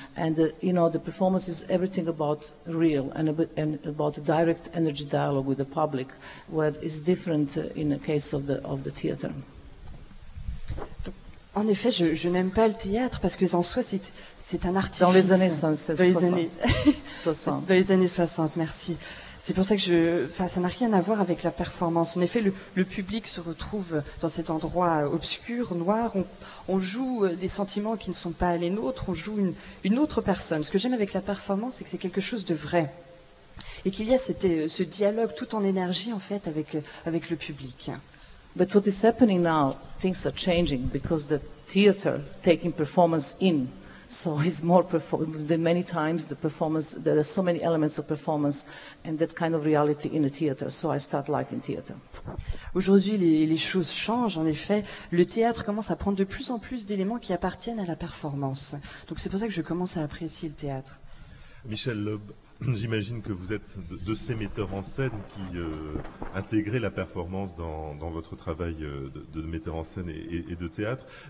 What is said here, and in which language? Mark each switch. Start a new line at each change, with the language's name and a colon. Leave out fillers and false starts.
English: And, you know, the performance is everything about real, and about a direct energy dialogue with the public, where it's different in the case of the theater.
French: En effet, je n'aime pas le théâtre parce que en soi, c'est un artifice. Dans les années 60. Dans les années 60. Dans les années 60, merci. C'est pour ça que ça n'a rien à voir avec la performance. En effet, le public se retrouve dans cet endroit obscur, noir. On joue des sentiments qui ne sont pas les nôtres. On joue une autre personne. Ce que j'aime avec la performance, c'est que c'est quelque chose de vrai. Et qu'il y a ce dialogue tout en énergie, en fait, avec le public.
English: But what is happening now, things are changing because the theater taking performance in. So it's more than many times the performance, there are so many elements of performance and that kind of reality in the theater. So I start liking theater.
French: Aujourd'hui, les choses changent. En effet, le théâtre commence à prendre de plus en plus d'éléments qui appartiennent à la performance. Donc c'est pour ça que je commence à apprécier le théâtre. Michel Loeb, j'imagine que vous êtes de ces metteurs en scène qui intégraient la performance dans votre travail de metteur en scène et de théâtre.